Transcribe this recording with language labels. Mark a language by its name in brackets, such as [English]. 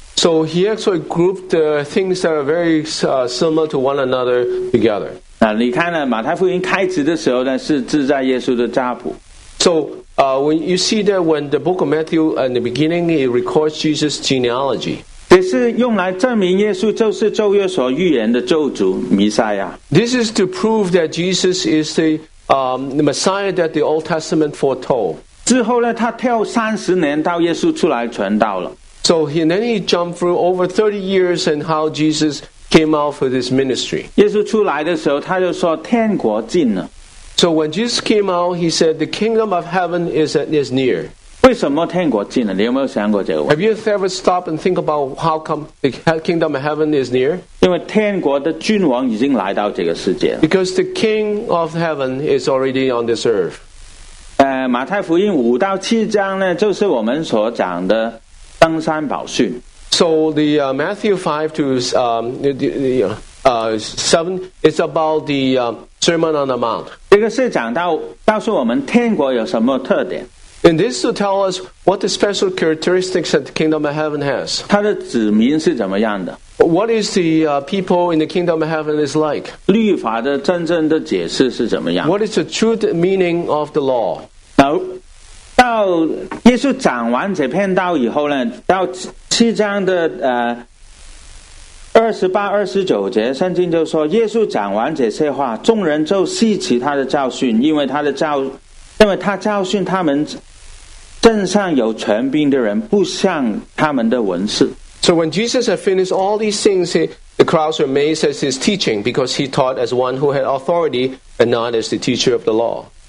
[English] So he actually grouped the things that are very similar to one another together. [Chinese] 那你看呢？马太福音开始的时候呢，是记载耶稣的家谱。 [English] So when you see that when the book of Matthew in the beginning it records Jesus' genealogy. [Chinese] 这是用来证明耶稣就是旧约所预言的救主弥赛亚。 [English] This is to prove that Jesus is the Messiah that the Old Testament foretold. [Chinese] 之后呢，他跳30年到耶稣出来传道了。 [English] So then he jumped through over 30 years and how Jesus came out for this ministry. [Chinese] 耶稣出来的时候，他就说天国近了。 [English] So when Jesus came out, he said the kingdom of heaven is near. [Chinese] 为什么天国近了？你有没有想过这个问题？ [English] Have you ever stopped and think about how come the kingdom of heaven is near? [Chinese] 因为天国的君王已经来到这个世界了。 [English] Because the king of heaven is already on this earth. [Chinese] 马太福音5-7呢，就是我们所讲的登山宝训。 [English] So the Matthew 5 to 7 is about the Sermon on the Mount. [Chinese] 这个是讲到告诉我们天国有什么特点。 [English] And this to tell us what the special characteristics that the kingdom of heaven has. [Chinese] 它的子民是怎么样的。 [English] What is the people in the kingdom of heaven is like? [Chinese] 律法的真正的解释是怎么样。 [English] What is the true meaning of the law? [Chinese] Now,到耶稣讲完这篇道以后呢，到7的28-29，圣经就说，耶稣讲完这些话，众人就稀奇他的教训，因为他教训他们镇上有权柄的人，不像他们的文士。 [English] So when Jesus had finished all these things, the crowds were amazed at his teaching because he taught as one who had authority and not as the teacher of the law.